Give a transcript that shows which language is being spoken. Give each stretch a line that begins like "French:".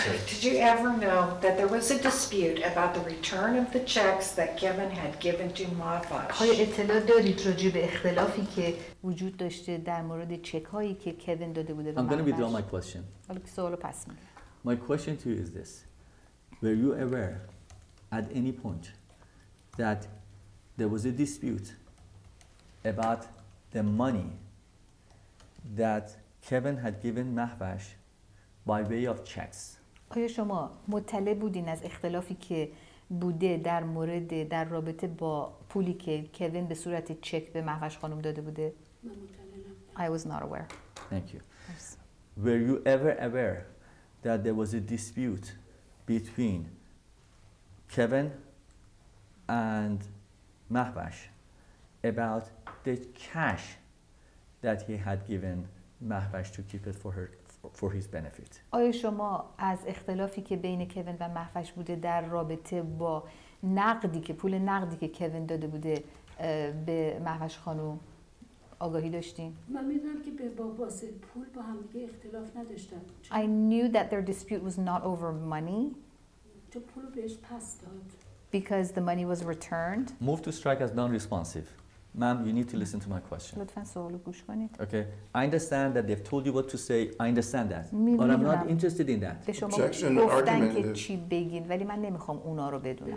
English: Did you ever know that there was a dispute about the return of the checks that Kevin had given to Mahvash?
Persian: آیا اطلاع دارید راجع به اختلافی که وجود داشته در مورد چک هایی که کوین داده بوده به
English: مهوش؟ I'm going to withdraw my question.
Persian: حالا سوالو پس می‌گیرم.
English: My question to you is this. Were you aware at any point that there was a dispute about the money that Kevin had given Mahvash by way of checks?
Persian: آیا شما مطلع بودین از اختلافی که بوده در مورد در رابطه با پولی که کوین به صورت چک به مهوش خانم داده بوده؟
English: I was not aware. Thank you. Were you ever aware that there was a dispute between Kevin and Mahvash about the cash that he had given Mahvash to keep it for her, for his benefit?
Persian: آیا شما از اختلافی که بین کوین و مهوش بوده در رابطه با نقدی که پول نقدی که کوین داده بوده به مهوش خانم آگاهی داشتین؟ من میدونم که با واسه پول با هم دیگه اختلاف نداشتن.
English: I knew that their dispute was not over money.
Persian: چون پول بهش پس داد.
English: Because the money was returned. Move to strike as non-responsive. Ma'am, you need to listen to my question.
Persian: لطفاً سوالو گوش کنید.
English: Okay. I understand that they've told you what to say. I understand that. But I'm not interested in that. Objection, argument.
Persian: که چی بگید ولی من نمیخوام اونا رو بدونم.